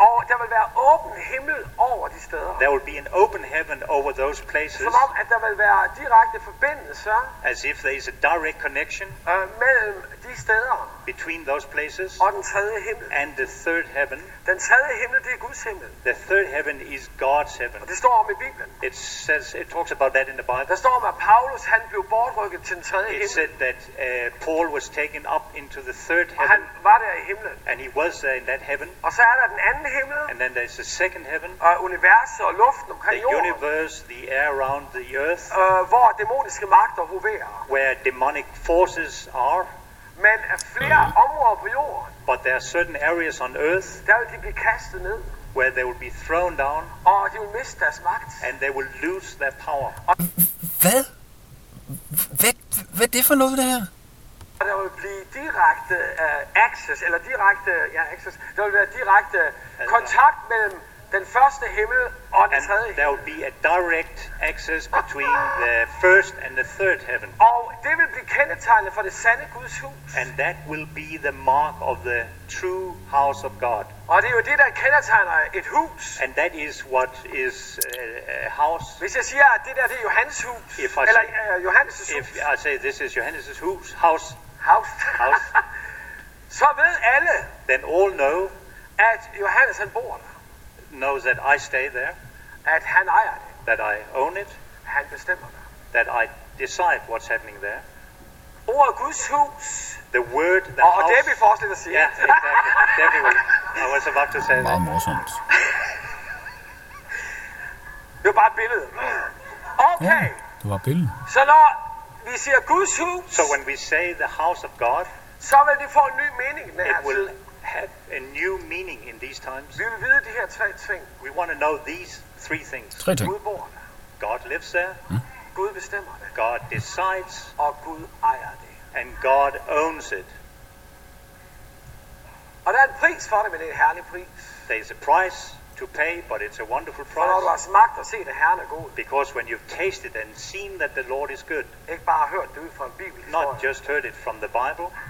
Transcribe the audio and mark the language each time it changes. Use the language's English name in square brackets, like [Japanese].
[Danish] Og der vil være åben himmel over de steder. [English] There will be an open heaven over those places. [Danish] Som om, at der vil være direkte forbindelse. [English] As if there is a direct connection. [Danish] Mellem de steder. [English] Between those places. [Danish] Og den tredje himmel. [English] And the third heaven. [Danish] Den tredje himmel, det er Guds himmel. [English] The third heaven is God's heaven. [Danish] Og det står om i Bibelen. [English] It says, it talks about that in the Bible. [Danish] Der står om, at Paulus, han blev bortrykket til den tredje himmel. [English] It said that Paul was taken up into the third heaven. [Danish] Og han var der i himlen. [English] And he was there in that heaven. [Danish] Og så er der den anden himmel. [English] And then there's the second heaven. [Danish] Og universet og luften omkring jorden. [English] The universe, the air around the earth. [Danish] Hvor dæmoniske magter hoverer. [English] Where demonic forces are. [Danish] Men er flere områder på jorden. [English] But there are certain areas on earth. [Danish] Der vil de blive kastet ned. [English] Where they will be thrown down. [Danish] Og de vil miste deres magt. [English] And they will lose their power. [Danish] Hvad? Hvad er det for noget der? Der vil blive direkte access, eller direkte, ja, access. Der vil være direkte kontakt mellem den første himmel og den tredje. [English] There will be a direct access between the first and the third heaven. [Danish] Og det vil blive kendetegnet for det sande Guds hus. [English] And that will be the mark of the true house of God. [Danish] Og det er jo det, der kendetegner et hus. [English] And that is what is a house. [Danish] Hvis jeg siger, at det der, det er Johannes' hus. Johannes' hus. [English] If I say this is Johannes' hus, house. [Danish] House. Så ved alle. [English] Then all know. [Danish] At Johannes han bor der. [English] Knows that I stay there. [Danish] At han ejer det. [English] That I own it. [Danish] Han bestemmer det. [English] That I decide what's happening there. [Danish] Ordet Guds hus. [English] The word, the [Danish] og [English] house. [Danish] Og Debbie forestiller sig. [English] Yeah, exactly. Debbie will. I was about to say [Danish] that. Meget morsomt. Det var bare et billede. Okay. Ja, det var et billede. Så når vi siger Guds hus. [English] So when we say the house of God. [Danish] Så vil det få en ny mening med [English] her. It will have a new meaning in these times. [Danish] Vi vil vide de her tre ting. [English] We want to know these three things. [Danish] Tre ting. Gud bor der. [English] God lives there. [Danish] Gud bestemmer det. [English] God decides. [Danish] Og Gud ejer det. [English] And God owns it. [Danish] Og der er en pris for det, men det er en herlig pris. [English] There's a price to pay, but it's a wonderful price. [Danish] For når du har smagt og set, at Herren er god. [English] Because when you've tasted and seen that the Lord is good. [Danish] Ikke bare hørt det ud fra en bibelhistorie. [English] Not just heard it from the Bible.